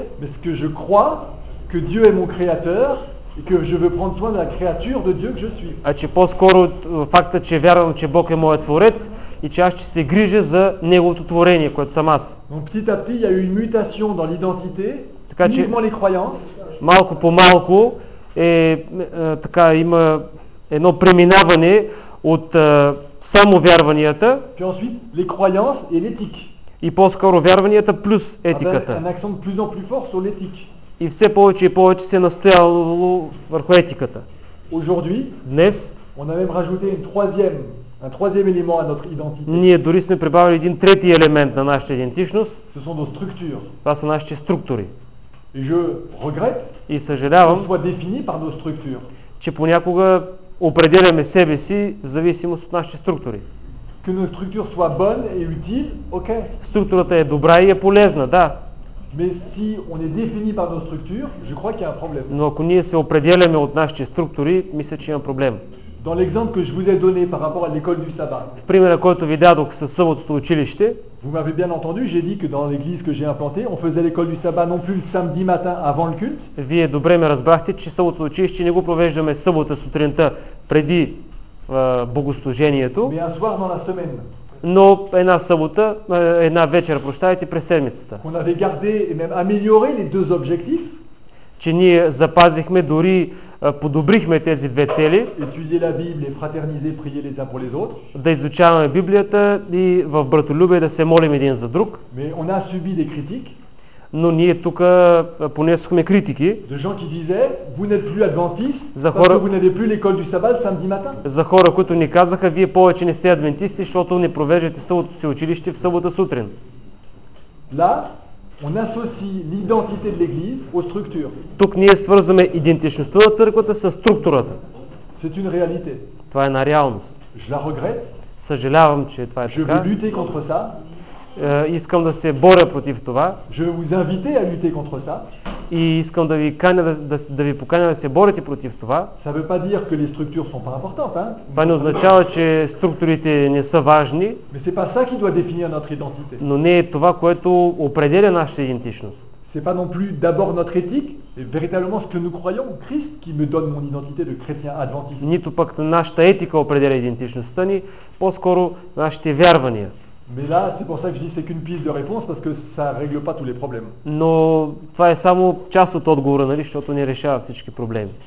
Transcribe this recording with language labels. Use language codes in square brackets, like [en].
[bg] но това, което вярвам, че Бог е мой креатор, [fr] et que je veux prendre soin de la créature de Dieu que je suis. [bg] А че по-скоро факта, че вярвам, че Бог е моят творец и че аз ще се грижа за неговото творение, което съм аз. [fr] Donc petit à petit, il y a eu une mutation dans l'identité, uniquement les croyances. [bg] Малко по малко така има едно преминаване от самовярванията, [fr] puis ensuite les croyances et l'éthique. [bg] И по-скоро вярванията плюс етиката. [fr] Un accent de plus en plus fort sur l'éthique. [bg] И все повече и повече се настоявало върху етиката. [fr] Aujourd'hui, [bg] днес, [fr] on a même rajouté un troisième élément à notre identité. [bg] Ние дори сме прибавили един трети елемент на нашата идентичност. [fr] Ce sont nos structures. [bg] Това са нашите структури. [fr] Et je regrette, [bg] и съжалявам, [fr] qu'on soit défini par nos structures. [bg] Че понякога определяме себе си в зависимост от нашите структури. [fr] Que notre structure soit bonne et utile, okay. [bg] Структурата е добра и е полезна, да. [fr] Mais si on est défini par nos structures, je crois qu'il y a un problème. [bg] Но ако ние се определяме от нашите структури, мисля, че има проблем. [fr] Dans l'exemple que je vous ai donné par rapport à l'école du sabbat. [bg] В примера, който ви дадох със съботното училище. [fr] Vous m'avez bien entendu, j'ai dit que dans l'église que j'ai implantée, on faisait l'école du sabbat non plus le samedi matin avant le culte. [bg] Вие добре ме разбрахте, че съботното училище не го провеждаме събота сутринта преди богослужението. [fr] Mais un soir dans la semaine. [bg] Но една събота, една вечер, прощавайте, през седмицата. [fr] On avait gardé et même amélioré les deux objectifs. [bg] Че ние запазихме, дори подобрихме тези две цели. [fr] Étudier la Bible et fraterniser, prier les uns pour les autres. [bg] Да изучаваме Библията и в братолюбие да се молим един за друг. [fr] Mais on a subi des critiques. [bg] Но ние тук понесохме критики. [fr] De gens qui disaient, vous n'êtes plus adventiste, parce que vous n'avez plus l'école du sabbat samedi matin. [bg] За хора, които ни казаха, вие повече не сте адвентисти, защото не провеждате съботното си училище в събота сутрин. [fr] Là, on associe l'identité de l'église aux structures. [bg] Тук ние свързваме идентичността на църквата с структурата. [fr] C'est une réalité. [bg] Това е на реалност. [fr] Je la regrette. [bg] Съжалявам, че това е така. [fr] Je veux lutter contre ça. [bg] Искам да се боря против това. [fr] Je vous invite à lutter contre ça. [bg] И искам да ви каня да ви поканя да се борите против това. [fr] Ça veut pas dire que les structures sont pas importantes, hein? [bg] Това не означава, че структурите не са важни. [fr] Mais c'est pas ça qui doit définir notre identité. [bg] Но не е това, което определя нашата идентичност. [fr] C'est pas non plus d'abord notre éthique, mais véritablement ce que nous croyons, Christ qui me donne mon identité de chrétien adventiste. [bg] Нито пък нашата етика определя идентичността ни, по-скоро нашите вярвания. [fr] Mais là, c'est pour ça que je dis c'est qu'une piste de réponse parce que ça règle pas tous les problèmes. [bg] Но това е само част от отговора, нали, защото не решава всички проблеми.